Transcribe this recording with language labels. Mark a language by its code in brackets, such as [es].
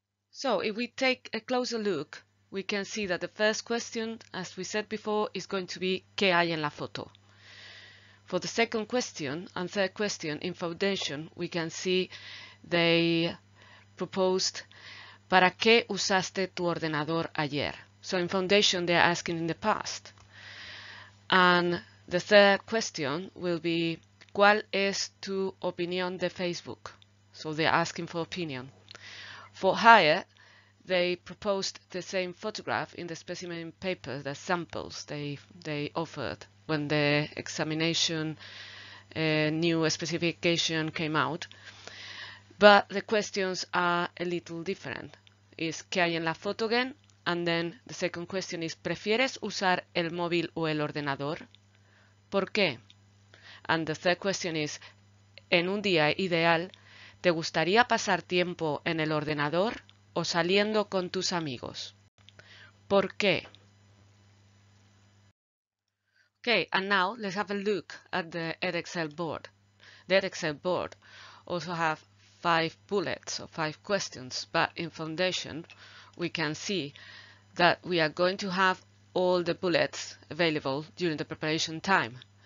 [en] So if we take a closer look, we can see that the first question, as we said before, is going to be [es] ¿qué hay en la foto? [en] For the second question and third question in foundation, we can see they proposed [es] ¿para qué usaste tu ordenador ayer? [en] So in foundation, they are asking in the past. And the third question will be [es] ¿cuál es tu opinión de Facebook? [en] So they're asking for opinion. For higher, they proposed the same photograph in the specimen paper, the samples they offered when the examination new specification came out. But the questions are a little different. Is [es] ¿qué hay en la foto [en] again? And then the second question is [es] ¿prefieres usar el móvil o el ordenador? ¿Por qué? [en] And the third question is [es] ¿en un día ideal te gustaría pasar tiempo en el ordenador o saliendo con tus amigos? ¿Por qué? [en] Okay, and now let's have a look at the EDEXCEL board. The EDEXCEL board also have 5 bullets or 5 questions, but in foundation we can see that we are going to have all the bullets available during the preparation time.